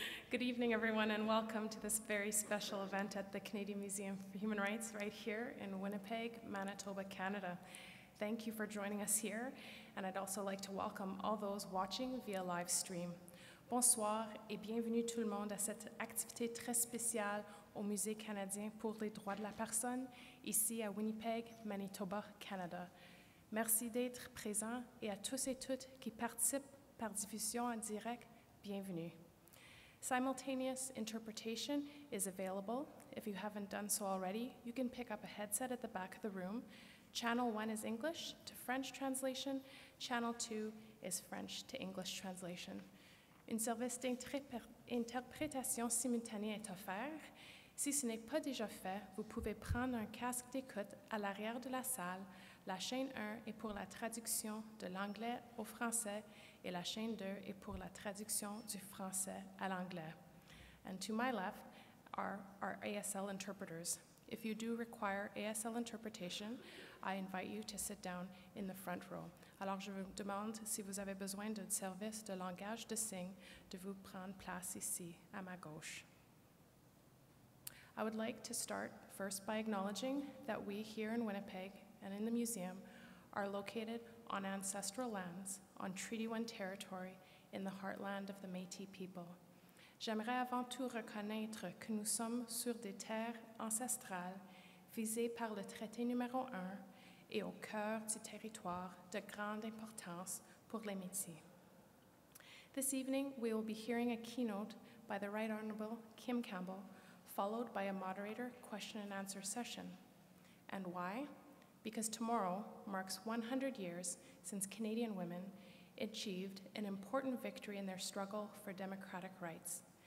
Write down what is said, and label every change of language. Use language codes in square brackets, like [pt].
[en] Good evening, everyone, and welcome to this very special event at the Canadian Museum for Human Rights right here in Winnipeg, Manitoba, Canada. Thank you for joining us here, and I'd also like to welcome all those watching via live stream. [fr] Bonsoir et bienvenue tout le monde à cette activité très spéciale au Musée canadien pour les droits de la personne ici à Winnipeg, Manitoba, Canada. Merci d'être présent et à tous et toutes qui participent par diffusion en direct, bienvenue. [en] Simultaneous interpretation is available. If you haven't done so already, you can pick up a headset at the back of the room. Channel 1 is English to French translation. Channel 2 is French to English translation. [fr] Un service d'interprétation simultanée est offert. Si ce n'est pas déjà fait, vous pouvez prendre un casque d'écoute à l'arrière de la salle. La chaîne 1 est pour la traduction de l'anglais au français et la chaîne 2 est pour la traduction du français à l'anglais. [en] And to my left are our ASL interpreters. If you do require ASL interpretation, I invite you to sit down in the front row. [fr] Alors je vous demande si vous avez besoin de service de langage de signes de vous prendre place ici à ma gauche. [en] I would like to start first by acknowledging that we here in Winnipeg and in the museum are located on ancestral lands, on Treaty 1 territory, in the heartland of the Métis people. [fr] J'aimerais avant tout reconnaître que nous sommes sur des terres ancestrales visées par le traité numéro 1 et au cœur du territoire de grande importance pour les Métis. [en] This evening, we will be hearing a keynote by the Right Honorable Kim Campbell, followed by a moderator question and answer session. And why? Because tomorrow marks 100 years since Canadian women achieved an important victory in their struggle for democratic rights.